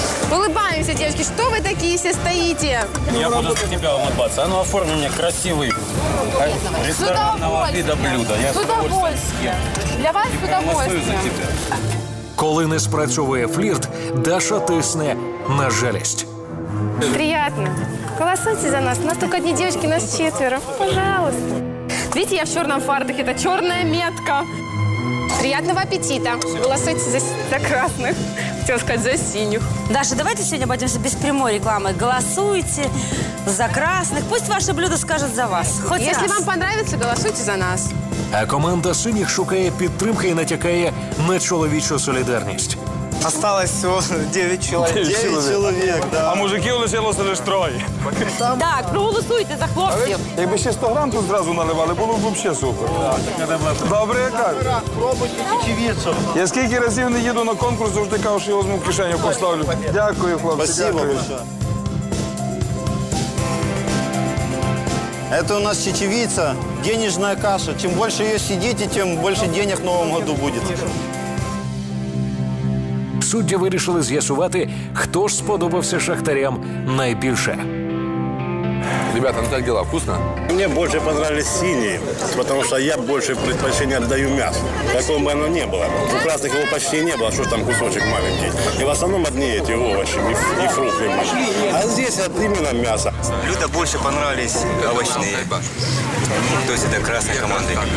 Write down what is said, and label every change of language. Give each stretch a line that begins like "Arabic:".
Russian: Улыбаемся, девочки. Что вы такие все стоите? Я буду за тебя улыбаться. Оно оформлено мне красивый ресторанного вида блюда. Я с удовольствием. Для вас с удовольствием.
Ukrainian: Коли не спрацьовує флірт, Даша тисне на жалість.
Russian: Приятно. Голосуйте за нас. У нас только одни девочки, нас четверо. Пожалуйста. Видите, я в черном фартуке. Это черная метка. Приятного аппетита. Голосуйте за красных. Хотела сказать, за синих. Даша, давайте сегодня обойдемся без прямой рекламы. Голосуйте за красных. Пусть ваше блюдо скажет за вас. Хоть если вам понравится, голосуйте за нас.
Ukrainian: А команда синих шукає підтримки і натякає на чоловічу солідарність.
Russian: Осталось
Ukrainian: всього 9 чоловік. 9 чоловік, да. А мужики лишилося лише троє. Так, проголосуйте за хлопців. Якби ще 100 грам тут зразу наливали, було б взагалі супер. Добре, як? Пробуйте чечевицю. Я скільки разів не їду на конкурс, завжди кажу, що я візьму в кишеню поставлю. Дякую, хлопці, дякую.
Russian: Это у нас чечевица, денежная каша. Чем больше ее съедите, тем больше денег в новом году будет.
Ukrainian: Судді вирішили з'ясувати, хто ж сподобався шахтарям найбільше.
Russian: Ребята, ну как дела? Вкусно? Мне больше понравились синие, потому что я больше предпочтение отдаю мясу. Какого бы оно ни было. У красных его почти не было, что ж там кусочек маленький. И в основном одни эти овощи и фрукты. А здесь вот именно мясо. Блюда больше понравились овощные. То есть это красная команда.